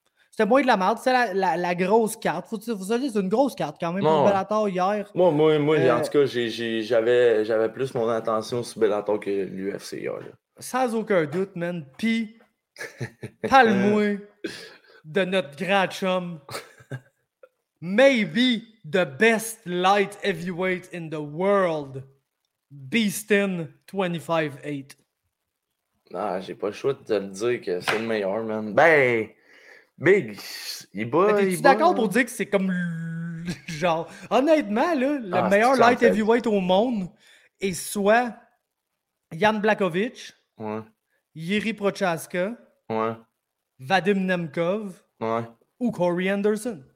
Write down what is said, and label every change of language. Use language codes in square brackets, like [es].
[fr] C'était moins de la marde. C'est la grosse carte. Vous savez, c'est une grosse carte quand même pour le Bellator hier. Moi, en tout cas, j'avais plus mon attention sur Bellator que l'UFC hier. Là. Sans aucun doute, man. Puis, parle-moi de notre grand chum. [en] Maybe the best light heavyweight in the world. Beastin 25-8. [fr] Ah, j'ai pas le choix de te dire que c'est le meilleur, man. Ben, Big, il bat. T'es-tu d'accord pour dire que c'est comme. Genre, honnêtement, là, le meilleur light heavyweight au monde est soit Jan Blachowicz, Jiří Procházka, Vadim Nemkov, ou Corey Anderson.